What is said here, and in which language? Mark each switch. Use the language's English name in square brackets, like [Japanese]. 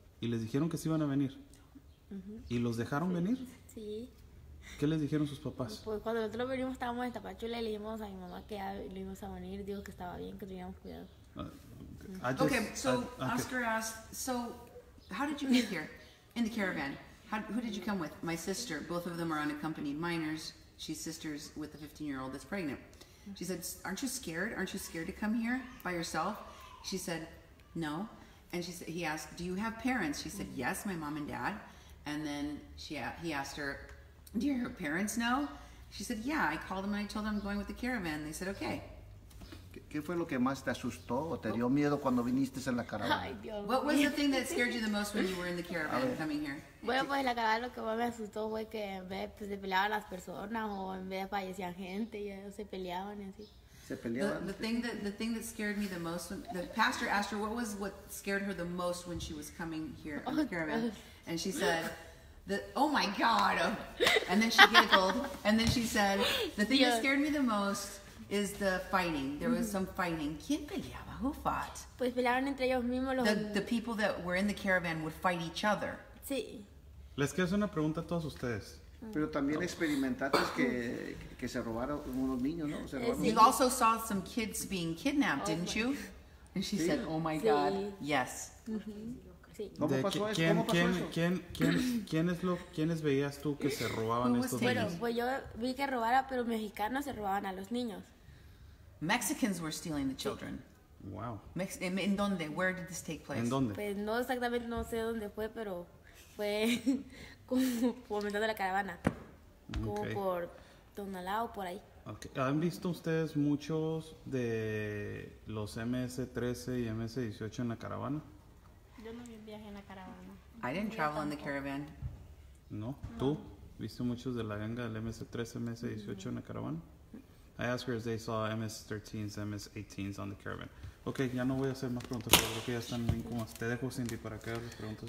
[Spanish] ¿Y les dijeron que se iban a venir? ¿Y los dejaron sí, venir? Sí. Sí. ¿Qué les dijeron sus papás? Pues cuando nosotros venimos estábamos en Tapachula y le dijimos a mi mamá que ya lo íbamos a venir, dijo que estaba bien, que teníamos cuidado. [English] Okay, so Oscar asked, so how did you get here in the caravan? Who did you come with? My sister. Both of them are unaccompanied minors. She's sisters with a 15-year-old that's pregnant. She said, aren't you scared? Aren't you scared to come here by yourself? She said, no. And she said, he asked, do you have parents? She said, yes, my mom and dad. And then he asked her, do your parents know? She said, yeah, I called them and I told them I'm going with the caravan. They said, okay. [Spanish] ¿Qué fue lo que más te asustó o te dio miedo cuando viniste en la caravana? [English] What was the thing that scared you the most when you were in the caravan coming here? [Spanish] Bueno, pues la caravana lo que más me asustó fue que en vez pues, se peleaban las personas o en vez fallecía gente y ellos se peleaban y así. Se peleaban. [English] The thing that scared me the most, the pastor asked her what scared her the most when she was coming here in the caravan. And she said, oh my God. And then she giggled. And then she said, the thing that scared me the most is the fighting. There was some fighting. [Spanish] ¿Quién peleaba? [English] Who fought? [Spanish] Pues pelearon entre ellos mismos los... [English] The people that were in the caravan would fight each other. [Spanish] Sí. Les quiero hacer una pregunta a todos ustedes. Pero también experimentaste que se robaron unos niños, ¿no? Se robaron. Sí. [English] You also saw some kids being kidnapped, didn't you? And she said, oh my God. [Spanish] Sí. [English] Yes. [Spanish] ¿Cómo pasó eso? ¿Quiénes veías tú que se robaban estos niños? Bueno, pues yo vi que robara, pero mexicanos se robaban a los niños. [English] Mexicans were stealing the children. Wow. [Spanish] ¿En dónde? [English] Where did this take place? [Spanish] ¿En dónde? Pues no exactamente, no sé dónde fue, pero fue como mitad de la caravana. Como por Tonalá o por ahí. [English] Okay. [Spanish] ¿Han visto ustedes muchos de los MS-13 y MS-18 en la caravana? Yo no viajé en la caravana. [English] I didn't travel in the caravan. [Spanish] No, tú viste muchos de la ganga del MS-13, MS-18 en la caravana. [English] I asked her if they saw MS-13s, MS-18s on the caravan. [Spanish] Okay, ya no voy a hacer más preguntas, pero creo que ya están bien como te dejo, Cindy, para que hagas preguntas.